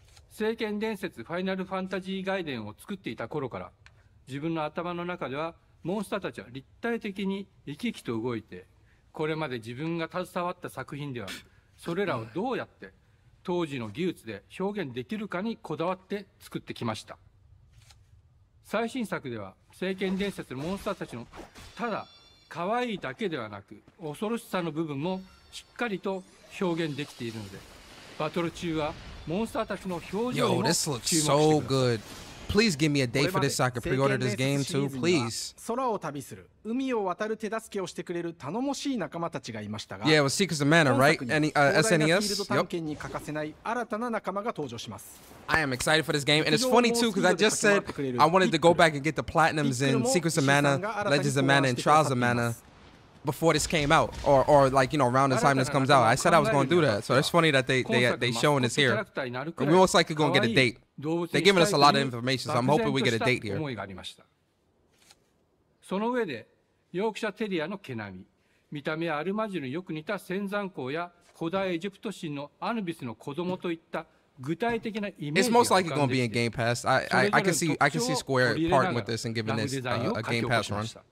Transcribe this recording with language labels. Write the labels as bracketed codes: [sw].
[ja] 聖剣伝説ファイナルファンタジーガイデンを作っていた頃から、自分の頭の中ではモンスターたちは立体的に生き生きと動いて、これまで自分が携わった作品ではそれらをどうやって当時の技術で表現できるかにこだわって作ってきました。最新作では聖剣伝説のモンスターたちのただ可愛いだけではなく恐ろしさの部分もしっかりと表現できているので、 [en] Yo, this looks so good. Please give me a date for this so I can pre-order this game too, please. Yeah, it was Secrets of Mana, right? SNES? Yep. I am excited for this game, and it's funny too, because I just said I wanted to go back and get the Platinums in Secrets of Mana, Legends of Mana, and Trials of Mana before this came out, or like, you know, around the time this comes out. I said I was going to do that, so it's funny that they showing this here. We most likely going to get a date. They're giving us a lot of information, so I'm hoping we get a date here. [ja] その上で、ヨークシャテリアの毛並み、見た目アルマジルによく似た仙山公や古代エジプト神のアヌビスの子供といった具体的なイメージ。 [en] It's most likely going to be in Game Pass. I can see Square partnering with this and giving this a Game Pass run.